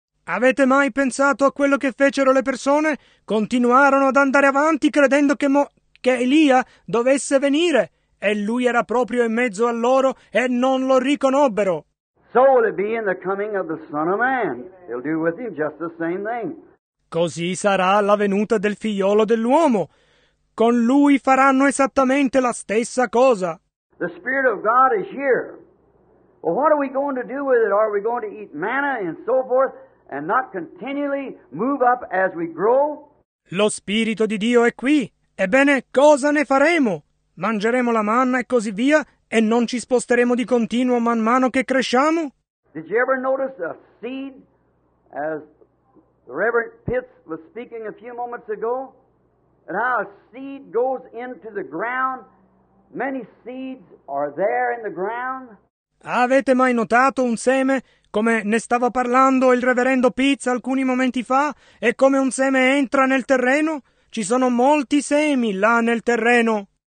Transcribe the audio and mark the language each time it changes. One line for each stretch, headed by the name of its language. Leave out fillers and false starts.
Italian: Avete mai pensato a quello che fecero le persone? Continuarono ad andare avanti credendo che Elia dovesse venire e lui era proprio in mezzo a loro e non lo riconobbero.
English: So will it be in the coming of the Son of Man. He'll do with him just the same thing.
Italian: Così sarà la venuta del figliolo dell'uomo. Con lui faranno esattamente la stessa cosa.
English: The Spirit of God is here. Well, what are we going to do with it? Are we going to eat manna and so forth and not continually move up as we grow?
Italian: Lo Spirito di Dio è qui. Ebbene, cosa ne faremo? Mangeremo la manna e così via e non ci sposteremo di continuo man mano che cresciamo?
English: Did you ever notice a seed as the Reverend Pitts was speaking a few moments ago? And how a seed goes into the ground? Many seeds are there in the ground.
Italian: Avete mai notato un seme, come ne stava parlando il reverendo Pitts alcuni momenti fa, e come un seme entra nel terreno? Ci sono molti semi là nel terreno.